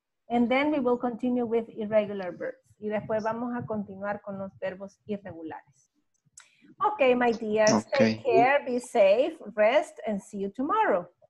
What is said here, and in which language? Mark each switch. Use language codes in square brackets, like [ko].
[en] And then we will continue with irregular verbs. [es] Y después vamos a continuar con los verbos irregulares. [en] Okay, my dears, take care, be safe, rest, and see you tomorrow.